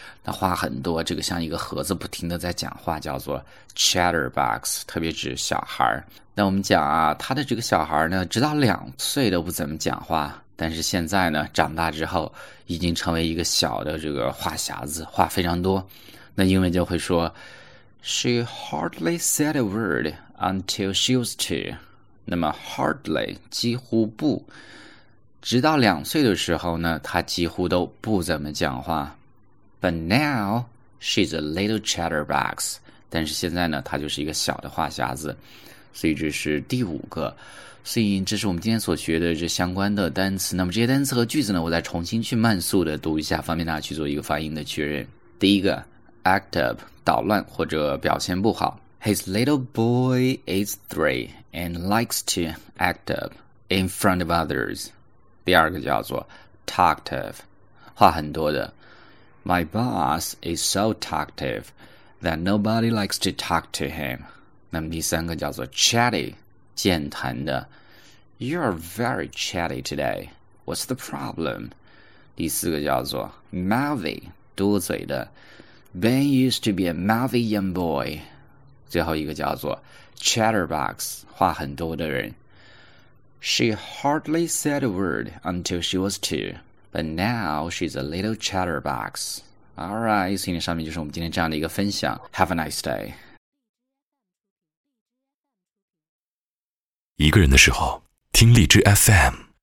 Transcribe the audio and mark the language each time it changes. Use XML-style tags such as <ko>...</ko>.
<zh>那话很多，这个像一个盒子不停的在讲话，叫做 chatterbox，特别指小孩。那我们讲啊，他的这个小孩呢，直到2岁都不怎么讲话，但是现在呢，长大之后已经成为一个小的这个话匣子，话非常多。那英文就会说。</zh> <en>She hardly said a word until she was two。</en> <zh>那么 hardly 几乎不，直到2岁的时候呢，她几乎都不怎么讲话。</zh> <en>But now she's a little chatterbox。</en> <zh>但是现在呢，她就是一个小的话匣子。所以这是第五个。所以这是我们今天所学的这相关的单词。那么这些单词和句子呢，我再重新去慢速的读一下，方便大家去做一个发音的确认。第一个。 Act up, 捣乱或者表现不好。</zh> <en>His little boy is 3 and likes to act up in front of others.</en> <zh>第二个叫做 talkative, 话很多的。</zh> <en>My boss is so talkative that nobody likes to talk to him.</en> <zh>那么第三个叫做 chatty, 健谈的。</zh> <en>You're very chatty today. What's the problem?</en> <zh>第四个叫做 mouthy, 多嘴的。</zh> <en>Ben used to be a mouthy young boy。</en> <zh>最后一个叫做 chatterbox，话很多的人。</zh> <en>She hardly said a word until she was two, but now she's a little chatterbox。 All right,</en> <zh>今天上面就是我们今天这样的一个分享。</zh> <en>Have a nice day.</en> <zh>一个人的时候，听荔枝 FM。</zh>